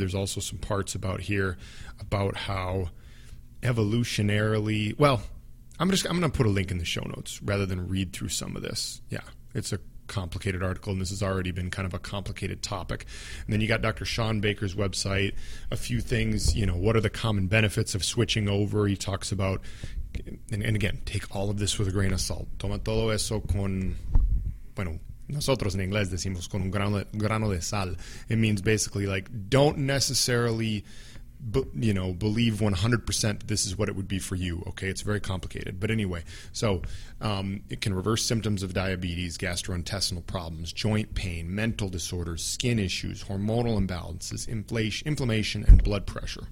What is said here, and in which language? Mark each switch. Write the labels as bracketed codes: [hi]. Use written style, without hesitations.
[en] There's also some parts about here about how evolutionarily, well, I'm gonna put a link in the show notes rather than read through some of this. Yeah, it's a complicated article, and this has already been kind of a complicated topic. And then you got Dr. Sean Baker's website, a few things, you know, what are the common benefits of switching over? He talks about, and again, take all of this with a grain of salt. [es] Toma todo eso con, bueno, nosotros en inglés decimos con un grano de sal. [en] It means basically like don't necessarily believe 100% this is what it would be for you. Okay, it's very complicated. But anyway, so it can reverse symptoms of diabetes, gastrointestinal problems, joint pain, mental disorders, skin issues, hormonal imbalances, inflammation, and blood pressure.